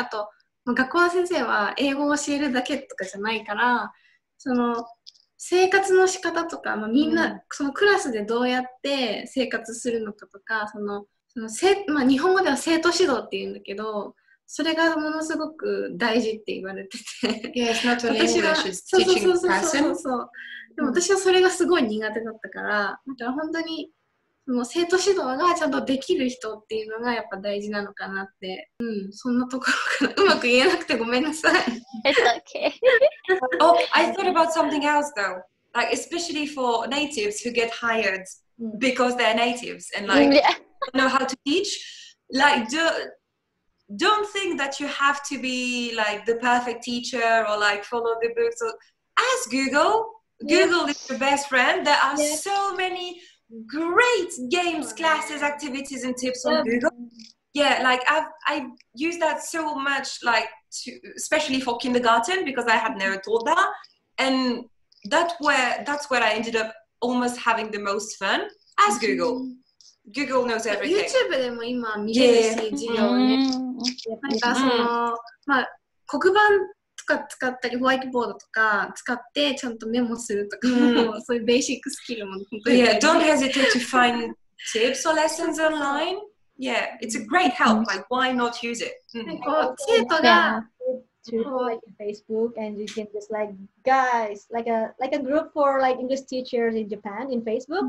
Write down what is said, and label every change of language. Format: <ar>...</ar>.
<ja>あと、まあ、学校の先生は英語を教えるだけとかじゃないから、その生活の仕方とか、まあ、みんな、そのクラスでどうやって生活するのかとか、まあ、日本語では生徒指導っていうんだけど、それがものすごく大事って言われてて。</ja> <en>Yeah, it's not really English, it's teaching person.</en> <ja>でも私はそれがすごい苦手だったから、だから本当に、その生徒指導がちゃんとできる人っていうのがやっぱ大事なのかなって、うん、そんなところからうまく言えなくてごめんなさい。</ja> <en>It's okay. Oh, I thought about something else though. Like, especially for natives who get hired because they're natives and like, don't know how to teach. Like, don't think that you have to be like the perfect teacher or like follow the books. Or ask Google. Google is your best friend. There are so many great games, classes, activities and tips on Google. Yeah, like I use that so much, like especially for kindergarten because I had never taught that, and that's where I ended up almost having the most fun. Ask Google. Google knows everything.</en> <ja>YouTube でも今見れるし、授業ね。なんかそのまあ黒板とか使ったりホワイトボードとか使ってちゃんとメモするとか、そういうベーシックスキルも本当に。</ja> <en>Yeah, don't hesitate to find tips or lessons online. Yeah, it's a great help. Like, why not use it?</en> <ja>こう生徒が、</ja> <en>like Facebook and you can just like guys like a group for like English teachers in Japan in Facebook.</en>